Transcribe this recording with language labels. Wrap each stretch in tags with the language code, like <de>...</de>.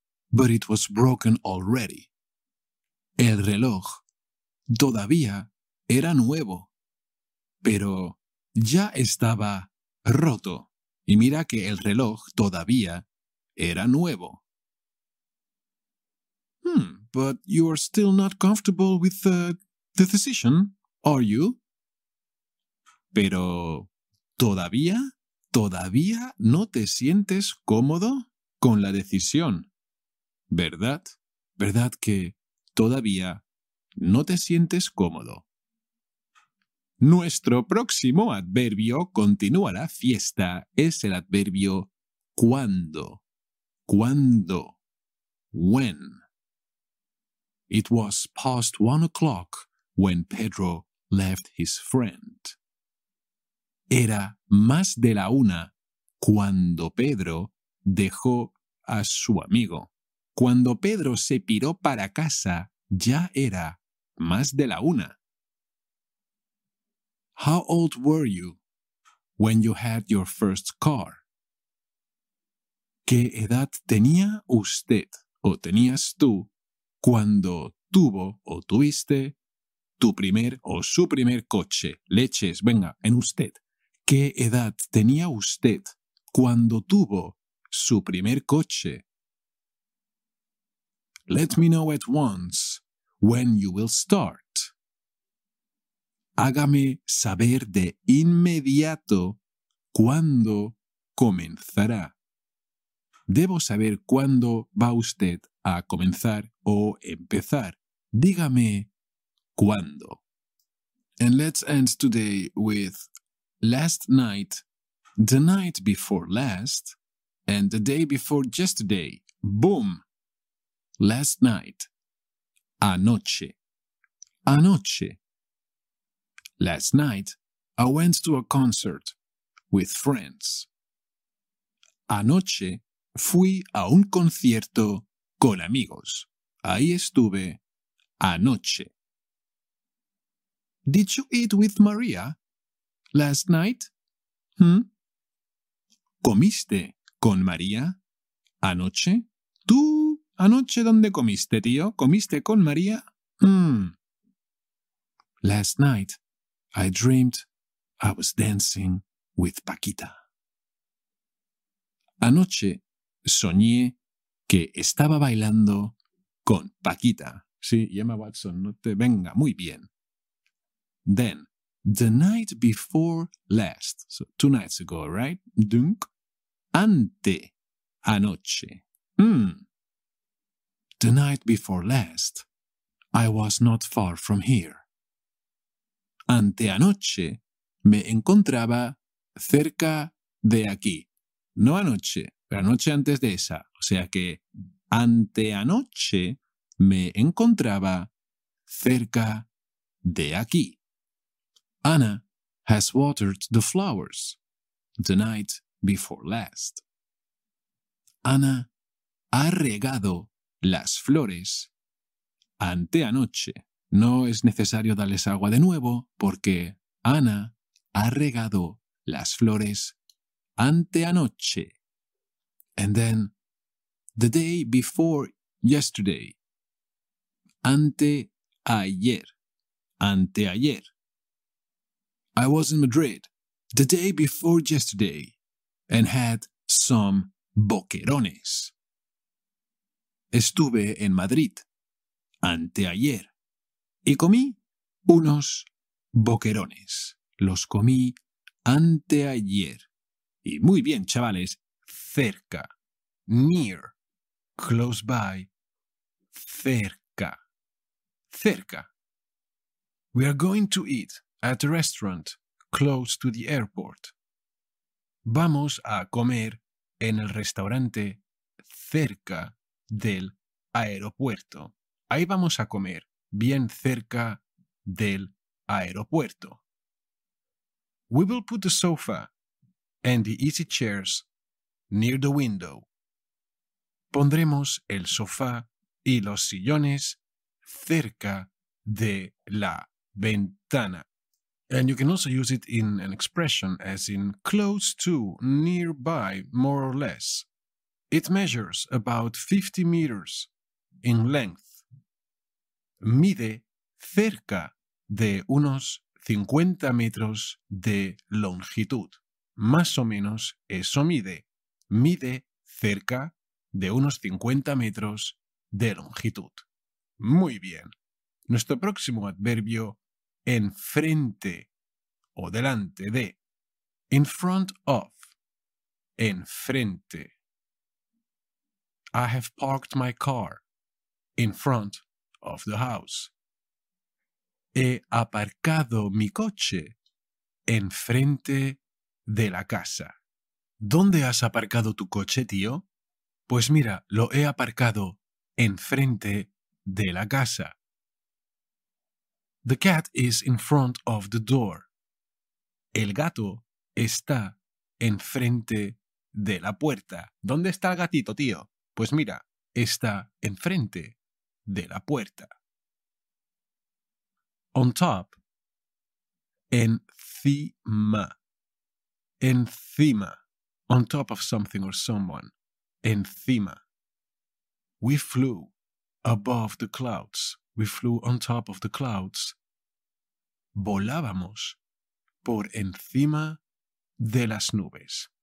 <en>But it was broken already.</en> <es>El reloj todavía era nuevo, pero ya estaba roto. Y mira que el reloj todavía era nuevo.</es> <en>But you are still not comfortable with the decision, are you?</en> <es>Pero todavía no te sientes cómodo con la decisión. ¿Verdad? ¿Verdad que todavía no te sientes cómodo? Nuestro próximo adverbio continúa la fiesta. Es el adverbio cuando. Cuando.</es> <en>When. It was past 1 o'clock when Pedro left his friend.</en> <es>Era más de la una cuando Pedro dejó a su amigo. Cuando Pedro se piró para casa, ya era más de la una.</es> <en>How old were you when you had your first car?</en> <es>¿Qué edad tenía usted o tenías tú cuando tuvo o tuviste tu primer o su primer coche. Leches, venga, en usted. ¿Qué edad tenía usted cuando tuvo su primer coche?</es> <en>Let me know at once when you will start.</en> <es>Hágame saber de inmediato cuándo comenzará. Debo saber cuándo va usted a comenzar o empezar. Dígame cuándo.</es> <en>And let's end today with last night, the night before last, and the day before yesterday. Boom! Last night.</en> <es>Anoche. Anoche.</es> <en>Last night, I went to a concert with friends.</en> <es>Anoche, fui a un concierto con amigos. Ahí estuve anoche.</es> <en>Did you eat with Maria last night?</en> <es>¿Comiste con María anoche? ¿Tú anoche dónde comiste, tío? ¿Comiste con María?</es> <en>Last night, I dreamed I was dancing with Paquita.</en> <es>Anoche soñé que estaba bailando con Paquita. Sí, Emma Watson, no te venga, muy bien.</es> <en>Then, the night before last, so two nights ago, right?</en> <es>Dunk. Ante anoche.</es> <en>The night before last, I was not far from here.</en> <es>Ante anoche, me encontraba cerca de aquí. No anoche, pero anoche antes de esa. O sea que, ante anoche, me encontraba cerca de aquí.</es> <en>Anna has watered the flowers the night before last.</en> <es>Anna ha regado las flores anteanoche. No es necesario darles agua de nuevo porque Anna ha regado las flores anteanoche.</es> <en>And then the day before yesterday.</en> <es>Anteayer. Anteayer.</es> <en>I was in Madrid the day before yesterday and had some boquerones.</en> <es>Estuve en Madrid anteayer y comí unos boquerones. Los comí anteayer. Y muy bien, chavales, cerca.</es> <en>Near. Close by.</en> <es>Cerca. Cerca.</es> <en>We are going to eat at a restaurant close to the airport.</en> <es>Vamos a comer en el restaurante cerca del aeropuerto. Ahí vamos a comer, bien cerca del aeropuerto.</es> <en>We will put the sofa and the easy chairs near the window.</en> <es>Pondremos el sofá y los sillones cerca de la ventana.</es> <en>And you can also use it in an expression as in close to, nearby, more or less. It measures about 50 meters in length.</en> <es>Mide cerca de unos 50 metros de longitud. Más o menos eso mide. Mide cerca de unos 50 metros de longitud. Muy bien. Nuestro próximo adverbio, enfrente o delante de.</es> <en>In front of.</en> <es>Enfrente.</es> <en>I have parked my car in front of the house.</en> <es>He aparcado mi coche enfrente de la casa. ¿Dónde has aparcado tu coche, tío? Pues mira, lo he aparcado enfrente de la casa.</es> <en>The cat is in front of the door.</en> <es>El gato está enfrente de la puerta. ¿Dónde está el gatito, tío? Pues mira, está enfrente de la puerta.</es> <en>On top.</en> <es>Encima. Encima.</es> <en>On top of something or someone.</en> <es>Encima.</es> <en>We flew above the clouds We flew on top of the clouds.</en> <es>Volábamos por encima de las nubes.</es>